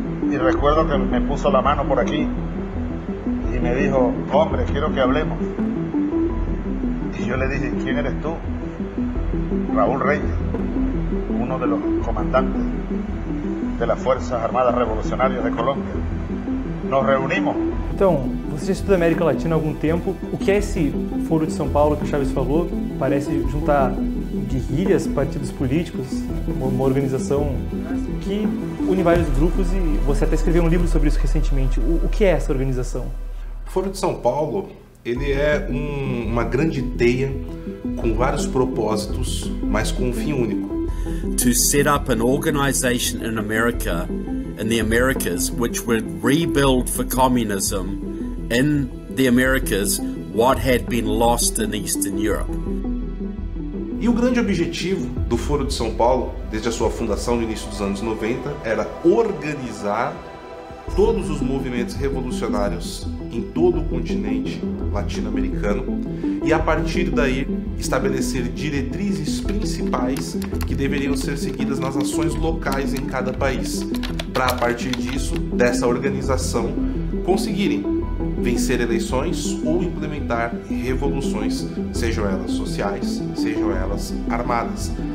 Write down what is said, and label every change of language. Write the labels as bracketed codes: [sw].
[es] Y recuerdo que me puso la mano por aquí y me dijo, hombre, quiero que hablemos. Y yo le dije, ¿quién eres tú? Raúl Reyes, uno de los comandantes de las Fuerzas Armadas Revolucionarias de Colombia. Nos reunimos. [pt] Então, Você já estuda América Latina há algum tempo. O que é esse Foro de São Paulo que o Chaves falou? Parece juntar guerrilhas, partidos políticos, uma organização que une vários grupos, e você até escreveu um livro sobre isso recentemente. O que é essa organização? O Foro de São Paulo, ele é uma grande teia com vários propósitos, mas com um fim único. [en] To set up an organization in America, in the Americas, which would rebuild for communism in the Americas what had been lost in Eastern Europe. [pt] E o grande objetivo do Foro de São Paulo, desde a sua fundação no início dos anos 90, era organizar todos os movimentos revolucionários em todo o continente latino-americano e, a partir daí, estabelecer diretrizes principais que deveriam ser seguidas nas ações locais em cada país, para, a partir disso, dessa organização, conseguirem vencer eleições ou implementar revoluções, sejam elas sociais, sejam elas armadas.